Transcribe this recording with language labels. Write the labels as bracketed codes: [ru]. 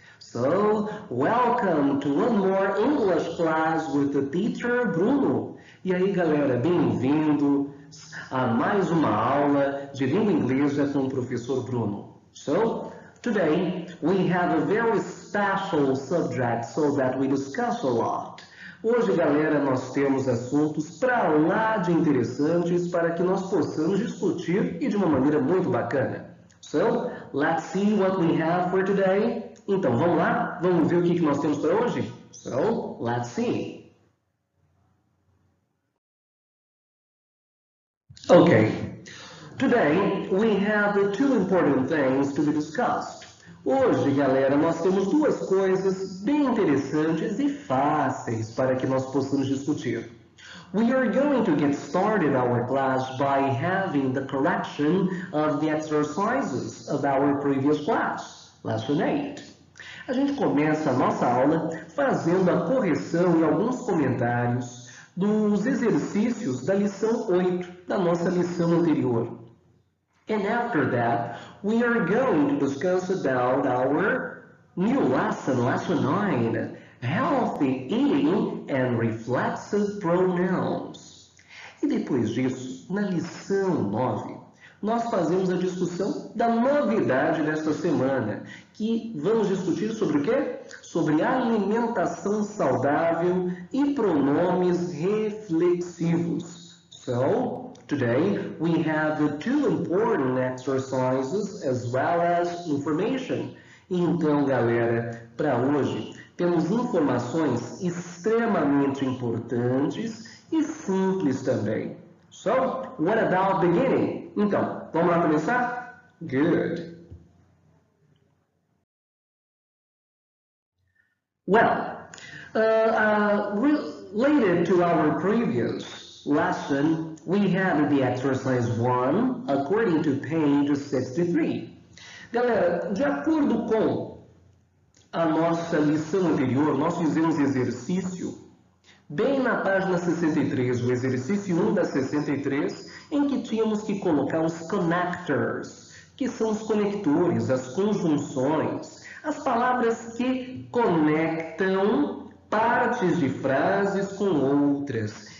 [en] So, welcome to one more English class with the teacher Bruno. [pt] E aí, galera, bem-vindo a mais uma aula de língua inglesa com o professor Bruno. [en] So, today we have a very special subject so that we discuss a lot. [pt] Hoje, galera, nós temos assuntos para lá de interessantes para que nós possamos discutir e de uma maneira muito bacana. [en] So, let's see what we have for today. [pt] Então, vamos lá? Vamos ver o que nós temos para hoje? [en] So, let's see. Okay. Today, we have the two important things to be discussed. [pt] Hoje, galera, nós temos duas coisas bem interessantes e fáceis para que nós possamos discutir. [en] We are going to get started our class by having the correction of the exercises of our previous class, lesson 8. [pt] A gente começa a nossa aula fazendo a correção e alguns comentários dos exercícios da lição 8 da nossa lição anterior. [en] And after that, we are going to discuss about our new lesson, lesson 9, healthy eating and reflexive pronouns. [pt] E depois disso, na lição 9, nós fazemos a discussão da novidade desta semana, que vamos discutir sobre o quê? Sobre alimentação saudável e pronomes reflexivos. [en] So, today, we have the two important exercises as well as information. [pt] Então, galera, para hoje, temos informações extremamente importantes e simples também. [en] So, what about beginning? [pt] Então, vamos lá começar? [en] Good. Well, related to our previous lesson, we have the exercise 1, according to page 63. [pt] Galera, de acordo com a nossa lição anterior, nós fizemos exercício bem na página 63, o exercício 1 da 63, em que tínhamos que colocar os connectors, que são os conectores, as conjunções, as palavras que conectam partes de frases com outras.